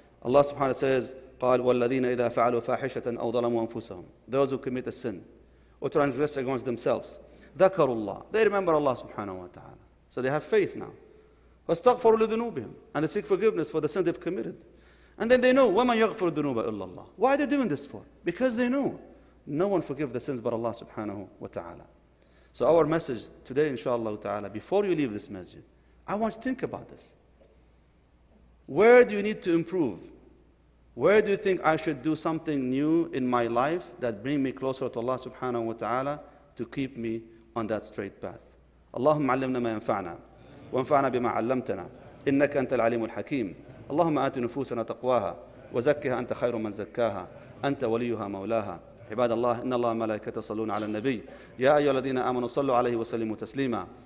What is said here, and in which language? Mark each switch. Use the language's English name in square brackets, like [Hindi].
[Arabic] Allah subhanahu wa ta'ala says, قال والذين إذا فعلوا فاحشة أو ظلموا أنفسهم. [English] Those who commit a sin or transgress against themselves. [Arabic] ذكروا الله. [English] They remember Allah subhanahu wa ta'ala. So they have faith now. [Arabic] وَاسْتَغْفَرُوا لِذُنُوبِهِمْ. [English] And they seek forgiveness for the sin they've committed. And then they know, [Arabic] وَمَنْ يَغْفِرُ الذُّنُوبَ إِلَّا اللَّهِ. [English] Why are they doing this for? Because they know no one forgives the sins but Allah subhanahu wa ta'ala. So our message today, inshallah ta'ala, before you leave this masjid, I want you to think about this. Where do you need to improve? Where do you think I should do something new in my life that bring me closer to Allah subhanahu wa ta'ala to keep me on that straight path? [Arabic] اللهم علمنا ما ينفعنا وانفعنا بما علمتنا إنك أنت العليم الحكيم. اللهم آت نفوسنا تقواها وزكها أنت خير من زكاها أنت وليها مولاها عباد الله، إن الله وملائكته يصلون على النبي، يا أيها الذين آمنوا صلوا عليه وسلموا تسليما.